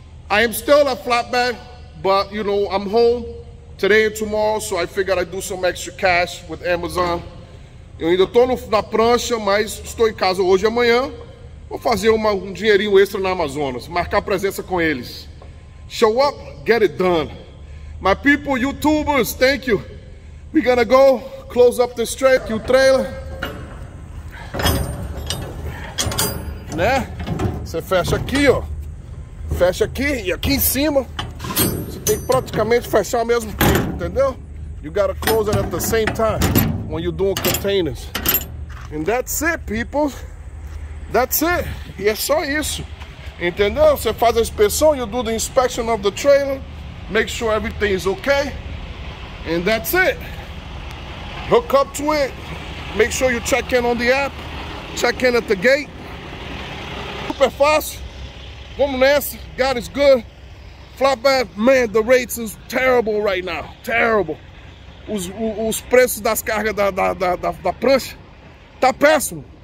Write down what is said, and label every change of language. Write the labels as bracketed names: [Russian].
[English] I am still a flatbed, but you know, I'm home today and tomorrow, so I figured I'd do some extra cash with Amazon. [Portuguese] Eu ainda tô na prancha, mas estou em casa hoje e amanhã. Vou fazer um dinheirinho extra na Amazonas, marcar presença com eles. [English] Show up, get it done. My people, YouTubers, thank you. We're gonna go close up this track, you trailer. [Portuguese] Né? Você fecha aqui, ó. Fecha aqui e aqui em cima. Você tem que praticamente fechar ao mesmo tempo, entendeu? [English] You gotta close it at the same time when you're doing containers. And that's it, people. That's it. [Portuguese] E é só isso. Entendeu? Você faz a inspeção, [English] you do the inspection of the trailer. Make sure everything is okay. And that's it. Hook up to it. Make sure you check in on the app. Check in at the gate. [Portuguese] Super fácil. Vamos nessa. [English] God is good. Flatbed, man, the rates is terrible right now. Terrible. [Portuguese] Os preços das cargas da prancha tá péssimo.